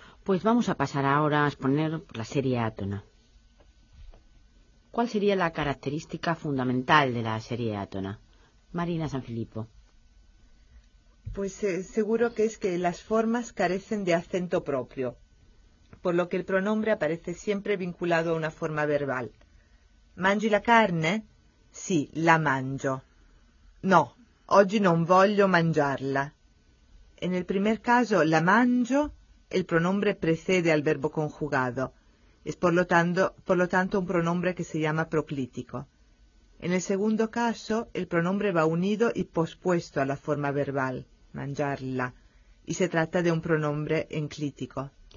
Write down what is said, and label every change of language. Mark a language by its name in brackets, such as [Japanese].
[Spanish] Pues vamos a pasar ahora a exponer la serie átona. ¿Cuál sería la característica fundamental de la serie átona? Marina Sanfilippo. Pues seguro que es que las formas carecen de acento propio, por lo que el pronombre aparece siempre vinculado a una forma verbal. [Italian] ¿Mangi la carne? Sí, la mangio. No, oggi non voglio mangiarla. [Spanish] En el primer caso, [Italian] la mangio, [Spanish] el pronombre precede al verbo conjugado. Es por lo tanto un pronombre que se llama proclítico. En el segundo caso, el pronombre va unido y pospuesto a la forma verbal, mangiarla, y se trata de un pronombre enclítico.